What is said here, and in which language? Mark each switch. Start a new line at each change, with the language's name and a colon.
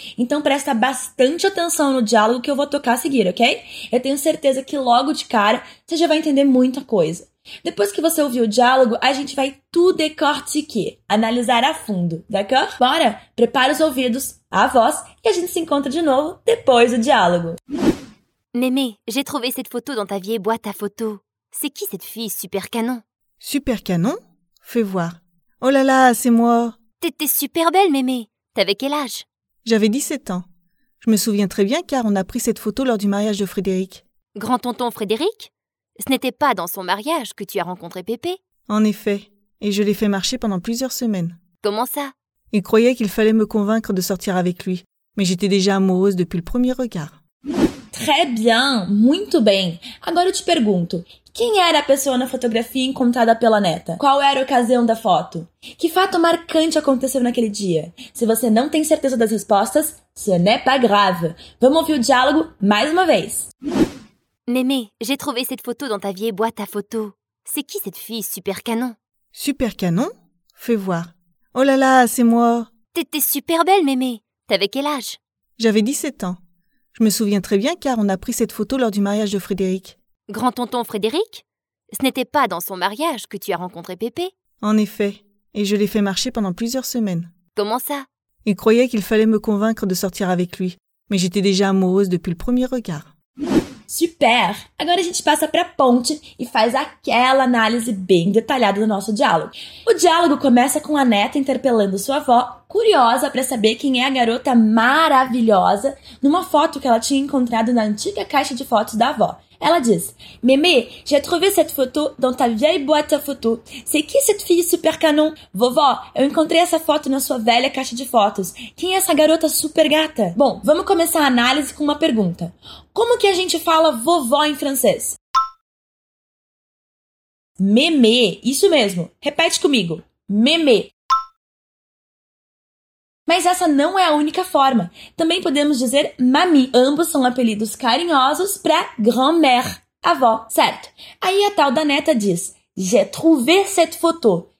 Portuguese: Então, presta bastante atenção no diálogo que eu vou tocar a seguir, ok? Eu tenho certeza que logo de cara você já vai entender muita coisa. Depois que você ouvir o diálogo, a gente vai
French: tout décortiquer,
Portuguese: analisar a fundo,
French: d'accord?
Portuguese: Bora! Prepara os ouvidos, a voz, e a gente se encontra de novo depois do diálogo.
French: Mémé, j'ai trouvé cette photo dans ta vieille boîte à photo. C'est qui cette fille super canon? Super canon? Fais voir. Oh là là, c'est moi! T'étais super belle, Mémé. T'avais quel âge? J'avais 17 ans. Je me souviens très bien car on a pris cette photo lors du mariage de Frédéric. Grand-tonton Frédéric? Ce n'était pas dans son mariage que tu as rencontré Pépé. En effet, et je l'ai fait marcher pendant plusieurs semaines. Comment ça? Il croyait qu'il fallait me convaincre de sortir avec lui, mais j'étais déjà amoureuse depuis le premier regard. Très bien,
Portuguese: muito bem. Agora eu te pergunto, quem era a pessoa na fotografia encontrada pela neta? Qual era a ocasião da foto? Que fato marcante aconteceu naquele dia? Se você não tem certeza das respostas,
French: ce n'est pas grave.
Portuguese: Vamos ouvir o diálogo mais uma vez.
French: Mémé, j'ai trouvé cette photo dans ta vieille boîte à photos. C'est qui cette fille super canon? Super canon? Fais voir. Oh là là, c'est moi! T'étais super belle, Mémé. T'avais quel âge? J'avais 17 ans. Je me souviens très bien car on a pris cette photo lors du mariage de Frédéric. Grand-tonton Frédéric? Ce n'était pas dans son mariage que tu as rencontré Pépé? En effet, et je l'ai fait marcher pendant plusieurs semaines. Comment ça? Il croyait qu'il fallait me convaincre de sortir avec lui, mais j'étais déjà amoureuse depuis le premier regard.
Portuguese: Super! Agora a gente passa para a ponte e faz aquela análise bem detalhada do nosso diálogo. O diálogo começa com a neta interpelando sua avó, curiosa para saber quem é a garota maravilhosa, numa foto que ela tinha encontrado na antiga caixa de fotos da avó. Ela diz,
French: Mémé, j'ai trouvé cette photo dans ta vieille boîte à photo. C'est qui cette fille super canon?
Portuguese: Vovó, eu encontrei essa foto na sua velha caixa de fotos. Quem é essa garota super gata? Bom, vamos começar a análise com uma pergunta. Como que a gente fala vovó em francês? Mémé, isso mesmo. Repete comigo. Mémé. Mas essa não é a única forma. Também podemos dizer mamie. Ambos são apelidos carinhosos para grand-mère, avó, certo? Aí a tal da neta diz,
French: j'ai trouvé cette photo.